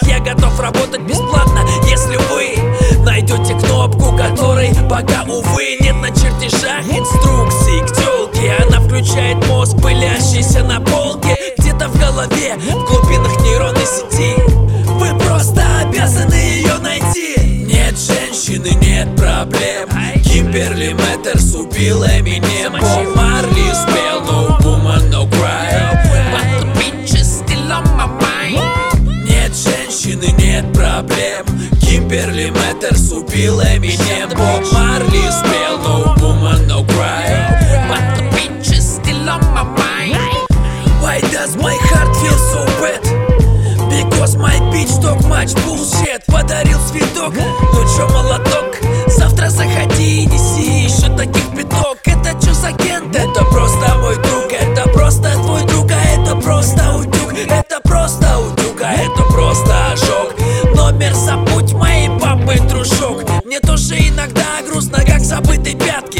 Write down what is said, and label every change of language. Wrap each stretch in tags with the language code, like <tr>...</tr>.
<ru>Я готов работать бесплатно, если вы найдете кнопку, которой пока, увы, нет на чертежах инструкции к тёлке. Она включает мозг, пылящийся на полке. Где-то в голове, в глубинах нейронной сети. Вы просто обязаны ее найти. Нет женщины, нет проблем. Кимберли Мэттерс убил Эминем. Боб Марли спел No Woman No Cry.</ru> <en>But the bitch is still on my mind.</en> <ru>Нет женщины, нет проблем. Кимберли Мэттерс убил Эминем. Боб Марли спел No Woman No Cry.</ru> <en>But the bitch is still on my mind. Why does my heart feel so bad? Because my bitch talk much bullshit.</en> <ru>Подарил цветок, ну чё молоток. Завтра заходи и неси еще таких пяток. Это чё за кент? Это просто мой друг. Это просто твой друг. А это просто утюг. Это просто утюг. А это просто ожог. Номер забудь моей папы, дружок. Мне тоже иногда грустно, как забытые пятки.</ru>